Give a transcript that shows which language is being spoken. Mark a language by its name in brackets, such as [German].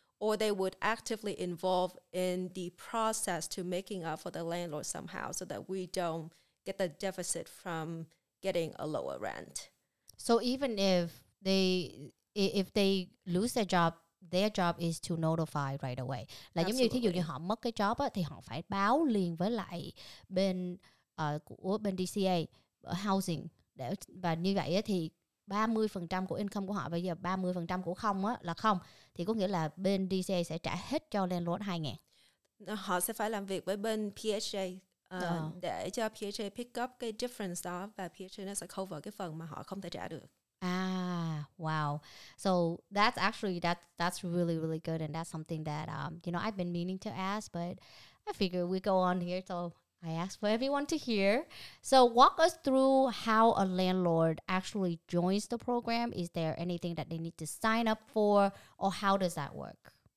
[English] Or they would actively involve in the process to making up for the landlord somehow so that we don't get the deficit from getting a lower rent. So even if they lose their job, their job is to notify right away. [Vietnamese] Là giống như thí dụ như họ mất cái job á, thì họ phải báo liền với lại bên của bên DCA housing để, và như vậy á, thì 30% của income của họ bây giờ 30% của không á, là không, thì có nghĩa là bên DCA sẽ trả hết cho landlord 2,000. Họ sẽ phải làm việc với bên PHA để cho PHA pick up cái difference đó và PHA nó sẽ cover cái phần mà họ không thể trả được. [English] Wow. So that's actually that's really, really good, and that's something that you know, I've been meaning to ask, but I figure we go on here, so I ask for everyone to hear. So walk us through how a landlord actually joins the program. Is there anything that they need to sign up for, or how does that work?